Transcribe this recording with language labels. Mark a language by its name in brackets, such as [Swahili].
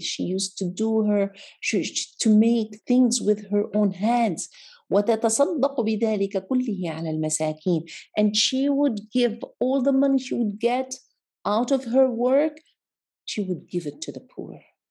[English] She used to make things with her own hands. [Arabic] وتتصدق بذلك كله على المساكين. [English] And she would give all the money she would get out of her work, she would give it to the poor.